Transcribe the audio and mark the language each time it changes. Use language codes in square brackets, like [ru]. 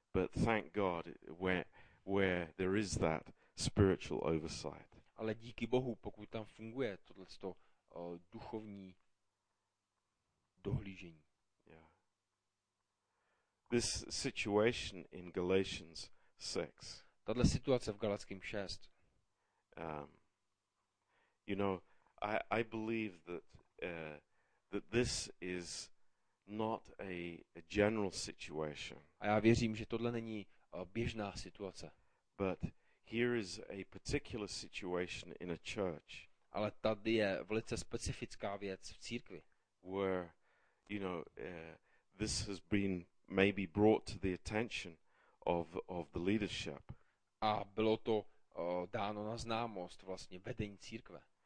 [en] But thank God where there is that spiritual oversight. [cs] Ale díky Bohu, pokud tam funguje tohle to duchovní dohlížení. [en] Yeah. This situation in Galatians 6. [cs] Tato situace v Galatským 6. [en] You know, I believe that this is not a general situation. [cs] A já věřím, že tohle není běžná situace. [en] But here is a particular situation in a church. [cs] Ale tady je velice specifická věc v církvi. [en] Where, you know, this has been maybe brought to the attention of the leadership. [cs] A bylo to dáno na známost vlastně vedení církve.